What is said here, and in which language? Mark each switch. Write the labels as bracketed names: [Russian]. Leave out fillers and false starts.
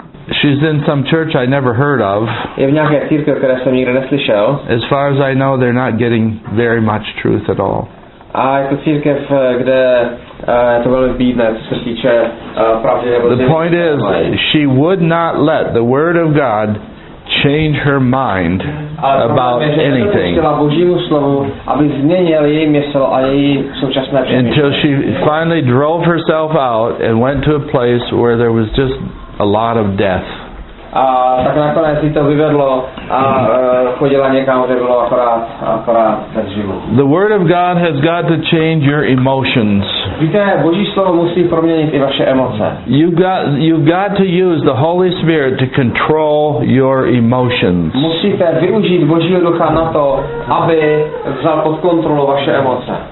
[English] She's in some church I never heard of. [Czech] Je v nějaké církvi, které jsem nikdy neslyšel. [English] As far as I know, they're not getting very much truth at all. [Czech] A je to církev, kde je to velmi bídné, co se týče pravdy. [English] The point is, she would not let the word of God change her mind about anything. [Czech] Ale problém je, že nepustila Božímu slovu, aby změnil její mysl a její současné přemýšlení. [English] Until she finally drove herself out and went to a place where there was just a lot of death. [Czech] A tak nakonec si to vyvedlo a chodila někam, kde bylo akorát bez život. [English] The word of God has got to change your emotions. [Czech] Víte, Boží slovo musí proměnit i vaše emoce. [English] You've got to use the Holy Spirit to control your emotions. [Czech] Musíte využít Božího ducha na to, aby vzal pod kontrolu vaše emoce.